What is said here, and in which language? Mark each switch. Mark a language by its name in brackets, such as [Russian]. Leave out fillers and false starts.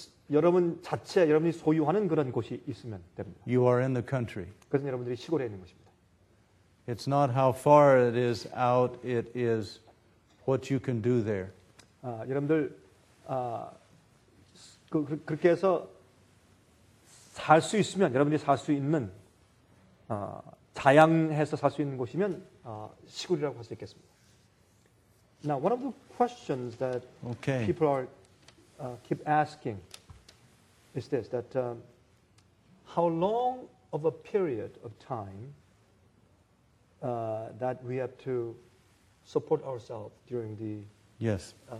[Korean] 여러분 자체 여러분이 소유하는 그런 곳이 있으면 됩니다. [English] You are in the country. [Korean] 그것은 여러분들이 시골에 있는 것입니다. [English] It's not how far it is out, it is what you can do there. [Korean] 여러분들 그렇게 해서 살 수 있으면 여러분들이 살 수 있는 자양해서 살 수 있는 곳이면 시골이라고 할 수 있겠습니다. [English] Now, one of the questions that okay. people are keep asking is this, that how long of a period of time that we have to support ourselves during the yes.